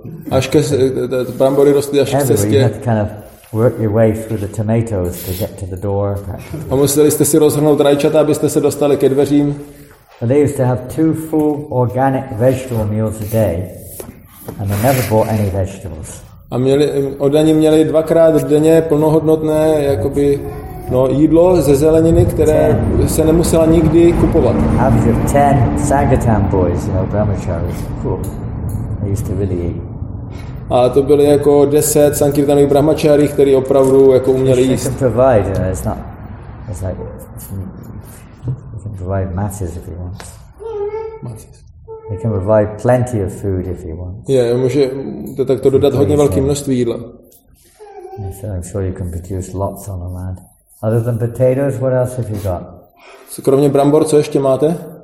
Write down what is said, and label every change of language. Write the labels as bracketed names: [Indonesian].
[Czech] Až ke brambory rostly až k cestě. [English] Work your way through the tomatoes to get to the door. [Czech] A museli jste si rozhrnout rajčata, abyste se dostali ke dveřím. [English] And they used to have 2 full organic vegetable meals a day and they never bought any vegetables. [Czech] A měli, oddaní měli dvakrát denně plnohodnotné jakoby, no, jídlo ze zeleniny, které se nemusela nikdy kupovat. [English] After 10 Sankirtan boys, you know, Brahmacharis, cool. They used to really eat. [Czech] A to byly jako 10 Sankirtanových Brahmacharí, kteří opravdu jako uměli jíst. [English] They can provide, you know, it's not, it's like, they can provide masses if you want. Masses. They can provide plenty of food if you want. [Czech] Yeah, může to takto dodat hodně velké množství jídla. [English] So I'm sure you can produce lots on the land. Other than potatoes, what else have you got? [Czech] So, kromě brambor, co ještě máte?